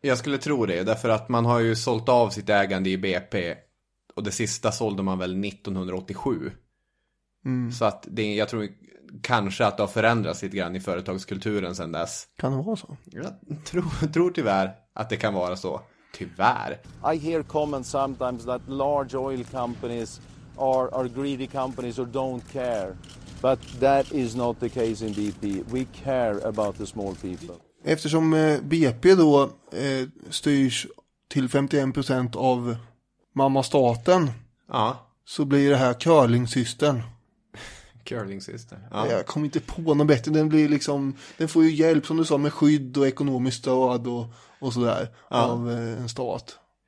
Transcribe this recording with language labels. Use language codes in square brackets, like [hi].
[sv] Jag skulle tro det, därför att man har ju sålt av sitt ägande i BP och det sista sålde man väl 1987. Mm. Så att det, jag tror kanske att det har förändrats lite grann i företagskulturen sedan dess. Kan det vara så? Jag tror tyvärr att det kan vara så. Tyvärr. [en] I hear comments sometimes that large oil companies are greedy companies or don't care. But that is not the case in BP. We care about the small people. [sv] Eftersom BP då styrs till 51% av mamma staten, ja, så blir det här curlingsystern. Curlingsystern. Ja. Jag kommer inte på något bättre. Den blir liksom, den får ju hjälp som du sa med skydd och ekonomiskt stöd och så där, ja, av en stat.